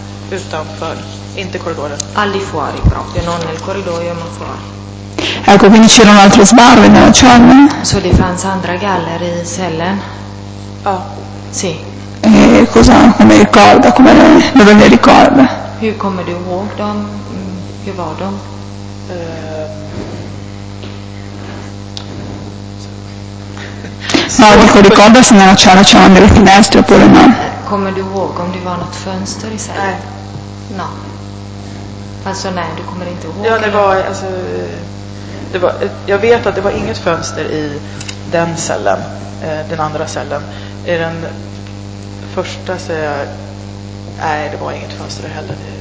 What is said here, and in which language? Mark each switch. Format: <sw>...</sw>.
<sv>utanför, inte korridoren.</sv> <it>Al di fuori proprio, non nel corridoio ma fuori. Ecco, quindi c'erano altre sbarre nella cella?</it> <sv>Så det fanns andra galler i cellen. Ja.</sv> <it>Sì. E cosa, come ricorda, come dove le ricorda?</it> <sv>Hur kommer du ihåg dem? Hur var de?</sv> <it>No, dico, ricorda se nella cella c'erano delle finestre oppure no.</it> <sv>Kommer du ihåg om det var något fönster i cellen? Nej.</sv> <it>No.</it> <sv>Alltså nej, du kommer inte ihåg. Ja, det var, alltså, det var, jag vet att det var inget fönster i den cellen, den andra cellen. I den första så jag, nej, det var inget fönster heller.</sv>